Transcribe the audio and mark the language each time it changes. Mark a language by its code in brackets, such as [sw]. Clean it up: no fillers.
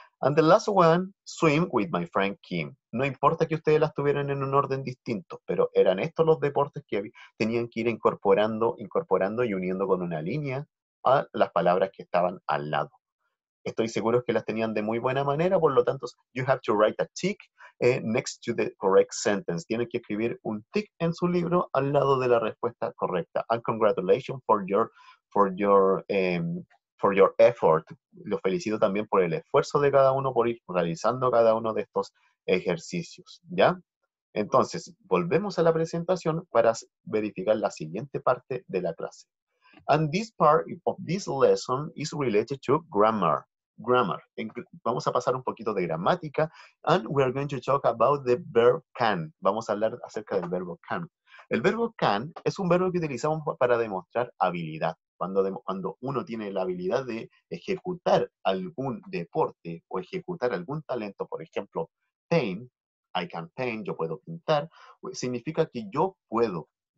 [en] And the last one, swim with my friend Kim. [es] No importa que ustedes las tuvieran en un orden distinto, pero eran estos los deportes que tenían que ir incorporando y uniendo con una línea a las palabras que estaban al lado. Estoy seguro que las tenían de muy buena manera, por lo tanto, [en] you have to write a tick next to the correct sentence. [es] Tienen que escribir un tick en su libro al lado de la respuesta correcta. [en] And congratulations for your effort. [es] Los felicito también por el esfuerzo de cada uno por ir realizando cada uno de estos ejercicios, ¿ya? Entonces, volvemos a la presentación para verificar la siguiente parte de la clase. [en] And this part of this lesson is related to grammar. Grammar. [es] Vamos a pasar un poquito de gramática. [en] And we are going to talk about the verb can. [es] Vamos a hablar acerca del verbo can. El verbo can es un verbo que utilizamos para demostrar habilidad. Cuando uno tiene la habilidad de ejecutar algún deporte o ejecutar algún talento, por ejemplo, paint, [en] I can paint, [es] yo puedo pintar, significa que yo puedo.